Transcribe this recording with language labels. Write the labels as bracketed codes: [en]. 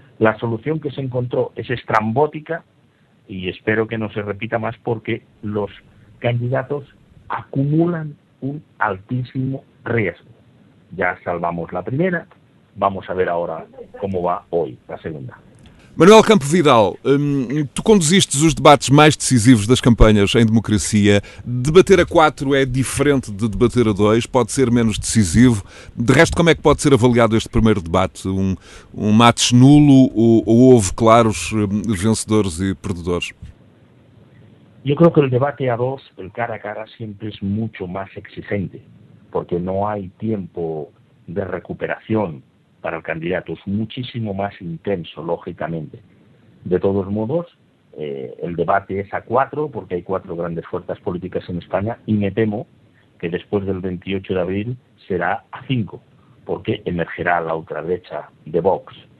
[es] La solución que se encontró es estrambótica y espero que no se repita más, porque los candidatos acumulan un altísimo riesgo. Ya salvamos la primera, vamos a ver ahora cómo va hoy la segunda. [pt] Manuel Campo Vidal, tu conduziste os debates mais decisivos das campanhas em democracia. Debater a quatro é diferente de debater a dois, pode ser menos decisivo. De resto, como é que pode ser avaliado este primeiro debate? Um match nulo ou houve claros vencedores e perdedores? Eu creo que o debate a dois, o cara a cara, sempre é muito mais exigente, porque não há tempo de recuperação. [es] Para el candidato es muchísimo más intenso, lógicamente. De todos modos, el debate es a cuatro, porque hay cuatro grandes fuerzas políticas en España, y me temo que después del 28 de abril será a cinco, porque emergerá la ultraderecha de Vox.